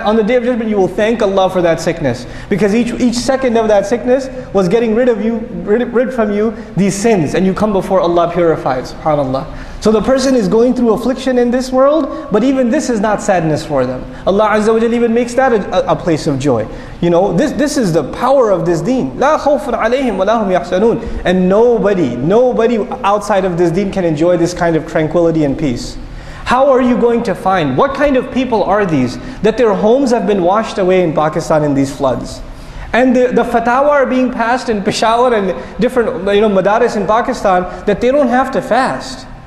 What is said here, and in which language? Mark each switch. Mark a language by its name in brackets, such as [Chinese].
[English] On the Day of Judgment, you will thank Allah for that sickness. Because each second of that sickness was getting rid from you these sins. And you come before Allah purified, subhanAllah. So the person is going through affliction in this world, but even this is not sadness for them. Allah Azza wa Jalla even makes that a place of joy. You know, this is the power of this deen. [Arabic] لا خوف عليهم ولا هم يحزنون. [English] And nobody outside of this deen can enjoy this kind of tranquility and peace. How are you going to find, what kind of people are these, that their homes have been washed away in Pakistan in these floods? And the fatawa are being passed in Peshawar and different, you know, madaris in Pakistan, that they don't have to fast.